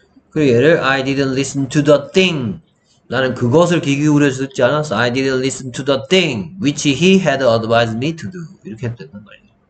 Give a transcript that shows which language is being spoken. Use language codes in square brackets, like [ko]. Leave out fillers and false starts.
[ko] 그리고 얘를 [en] I didn't listen to the thing. [ko] 나는 그것을 귀 기울여 듣지 않았어. [en] I didn't listen to the thing which he had advised me to do. [ko] 이렇게 해도 된단 말이야.